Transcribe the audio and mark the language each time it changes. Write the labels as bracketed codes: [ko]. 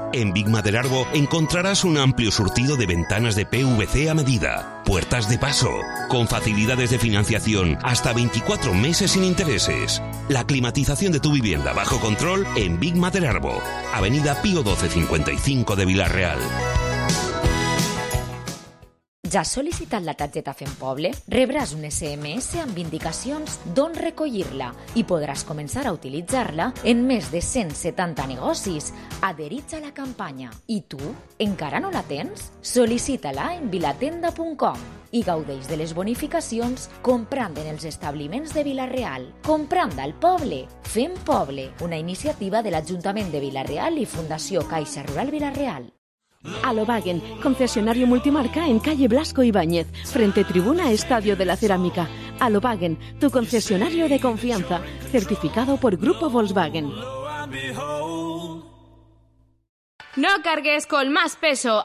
[es] En Bigma del Arbo encontrarás un amplio surtido de ventanas de PVC a medida, puertas de paso, con facilidades de financiación hasta 24 meses sin intereses. La climatización de tu vivienda bajo control en Bigma del Arbo, Avenida Pío 12 55 de Villarreal. [ca] Ja has sol·licitat la targeta FemPoble? Rebràs un SMS amb indicacions d'on recollir-la i podràs començar a utilitzar-la en més de 170 negocis adherits a la campanya. I tu, encara no la tens? Sol·licita-la en vilatenda.com i gaudeix de les bonificacions comprant en els establiments de Villarreal. Comprant al poble, fem poble. Una iniciativa de l'Ajuntament de Villarreal i Fundació Caixa Rural Villarreal. [es] Alobagen, concesionario multimarca en calle Blasco Ibáñez, frente tribuna Estadio de la Cerámica. Alobagen, tu concesionario de confianza, certificado por Grupo Volkswagen. No cargues con más peso.